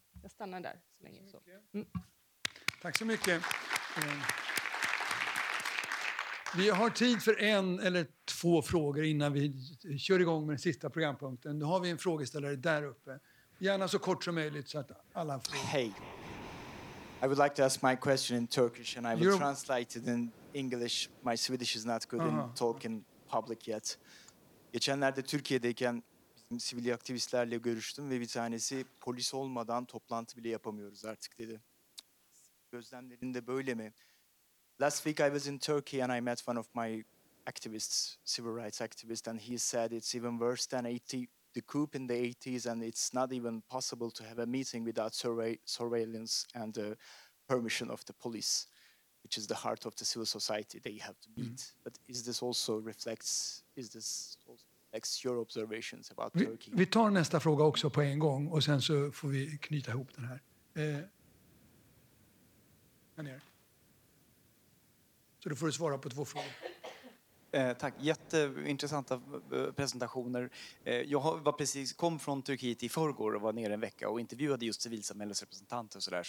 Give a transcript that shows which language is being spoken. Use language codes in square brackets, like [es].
[sv] Jag stannar där så länge. Så. Tack så mycket. Vi har tid för en eller två få frågor innan vi kör igång med den sista programpunkten. Då har vi en frågeställare där uppe. Gärna så kort som möjligt så att alla får. [en] Hey, I would like to ask my question in Turkish and I will translate it in English. My Swedish is not good in talking public yet. [tr] Geçenlerde Türkiye'deyken bizim sivil aktivistlerle görüştüm ve bir tanesi polis olmadan toplantı bile yapamıyoruz artık dedi. Gözlemlerinde böyle mi? [en] Last week I was in Turkey and I met one of my activists, civil rights activists, and he said it's even worse than the coup in the 80s and it's not even possible to have a meeting without surveillance and the permission of the police, which is the heart of the civil society that you have to meet. Mm. But is this also reflects your observations about Turkey? [sv] Vi tar nästa fråga också på en gång och sen så får vi knyta ihop den här. Så då får du svara på två frågor. Tack. Jätteintressanta presentationer. Jag var precis kom från Turkiet i förrgår och var nere en vecka och intervjuade just civilsamhällesrepresentanter och sådär.